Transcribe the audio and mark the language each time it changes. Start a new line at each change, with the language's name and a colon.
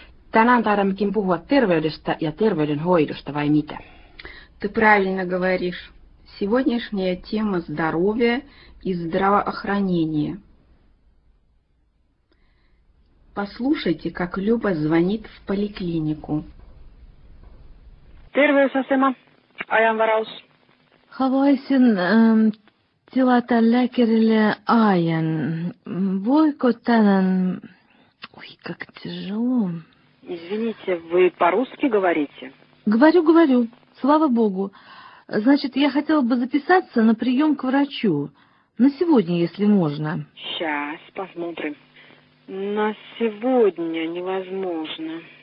Finnish: Tänään taidammekin puhua terveydestä ja terveydenhoidosta, vai mitä?
Russian: Ты правильно говоришь. Сегодняшняя тема – здоровье и здравоохранение. Послушайте, как Люба звонит в поликлинику.
Finnish: Terveysasema. Ajan varaus. Haluaisin tilata lääkärille ajan. Voiko tänään...
Russian: Ой, как тяжело. Извините, вы по-русски говорите? Говорю, говорю. Слава Богу. Значит, я хотела бы записаться на прием к врачу. На сегодня, если можно. Сейчас, посмотрим. На сегодня невозможно.